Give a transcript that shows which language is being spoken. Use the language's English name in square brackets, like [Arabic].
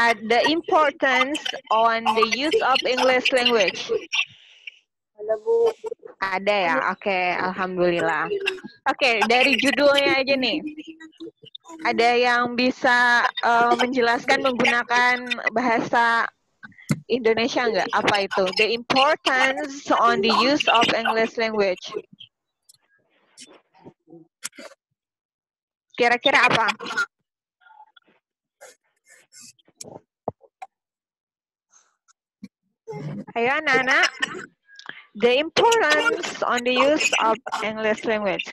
[English] The importance on the use of English language. [Indonesian] Ada, Bu. Ada ya? Oke, alhamdulillah. Oke, dari judulnya aja nih. Ada yang bisa menjelaskan menggunakan bahasa Indonesia nggak? Apa itu? [English] The importance on the use of English language. [Indonesian] Kira-kira apa? Ayo, [English] Nana. The importance on the use of English language.